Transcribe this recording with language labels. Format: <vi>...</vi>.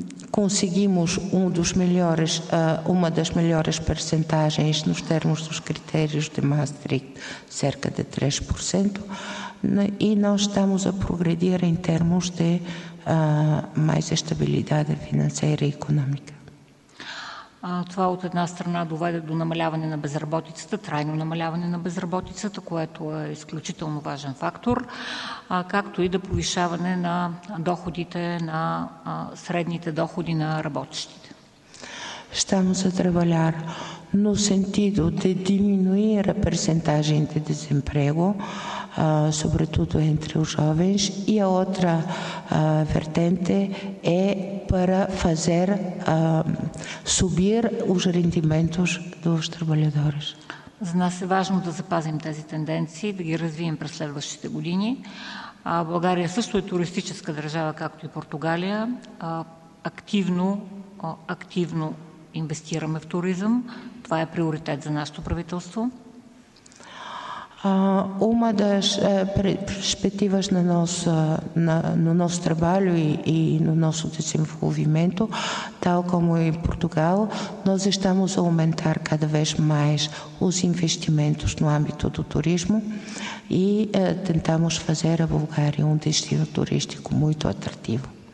<pt>Conseguimos uma das melhores percentagens nos termos dos critérios de Maastricht, cerca de 3%, e nós estamos a progredir em termos de mais estabilidade financeira e económica.</pt> <bg>Това от една страна доведе до намаляване на безработицата, трайно намаляване на безработицата, което е изключително важен фактор, както и до повишаване на доходите, на средните доходи на работещите.</bg> <pt>Estamos a trabalhar no sentido de diminuir a percentagem de desemprego, sobretudo entre os jovens, e a outra vertente é para fazer subir os rendimentos dos trabalhadores.</pt> <bg>За нас е важно да запазим тези тенденции, да ги развием през следващите години. България също е туристическа държава, както и Португалия. Активно инвестираме в туризъм. Това е приоритет за нашето правителство.</bg> <pt>Uma das perspectivas no nosso trabalho e no nosso desenvolvimento, tal como em Portugal, nós estamos a aumentar cada vez mais os investimentos no âmbito do turismo e tentamos fazer a Bulgária um destino turístico muito atrativo.</pt>